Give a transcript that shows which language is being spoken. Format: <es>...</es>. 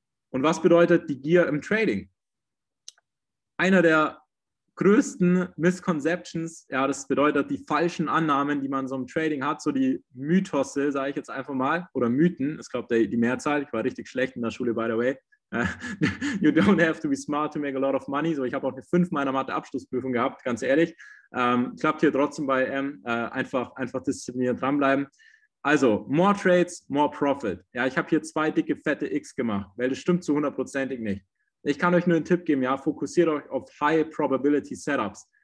<de>Und was bedeutet die Gier im Trading? Einer der größten Misconceptions, ja, das bedeutet die falschen Annahmen, die man so im Trading hat, so die Mythosse, sage ich jetzt einfach mal, oder Mythen, ich glaube die Mehrzahl, ich war richtig schlecht in der Schule,</de> <en>by the way. You don't have to be smart to make a lot of money.</en> <de>So, ich habe auch eine 5 meiner Mathe-Abschlussprüfung gehabt, ganz ehrlich. Klappt hier trotzdem bei M, einfach diszipliniert dranbleiben. Also,</de> <en>more trades, more profit.</en> <de>Ja, ich habe hier 2 dicke, fette X gemacht, weil das stimmt zu 100%ig nicht. Ich kann euch nur einen Tipp geben, ja, fokussiert euch auf High-Probability-Setups.</de>